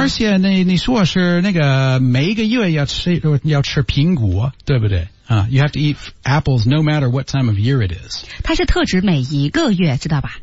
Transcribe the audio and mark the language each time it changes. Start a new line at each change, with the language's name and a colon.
Chinese: 而且 你说是那个每一个月要吃苹果，对不对？
English: You have to eat apples no matter what time of year it is.
Chinese: 它是特指每一个月，知道吧？